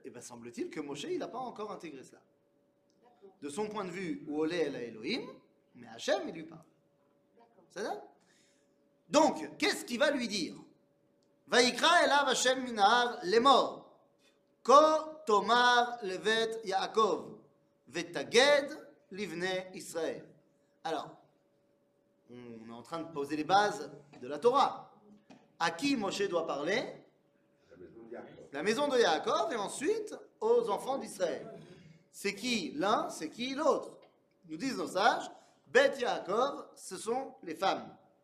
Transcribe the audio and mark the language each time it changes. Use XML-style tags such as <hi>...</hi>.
<fr>Et bien, semble-t-il que Moshe, il n'a pas encore intégré cela. D'accord. De son point de vue, où Olé, elle a Elohim, mais Hachem, il lui parle. D'accord. Ça donc, qu'est-ce qu'il va lui dire?</fr> <he>ויקרא אליו השם מן ההר לאמור, כה תאמר לבית יעקב, ותגד לבני ישראל.</he> <fr>Alors, on est en train de poser les bases de la Torah. À qui Moshe doit parler ? La maison de Yaakov, et ensuite aux enfants d'Israël. C'est qui l'un, c'est qui l'autre ? Nous disent nos sages, Beth Yaakov, ce sont les femmes.</fr>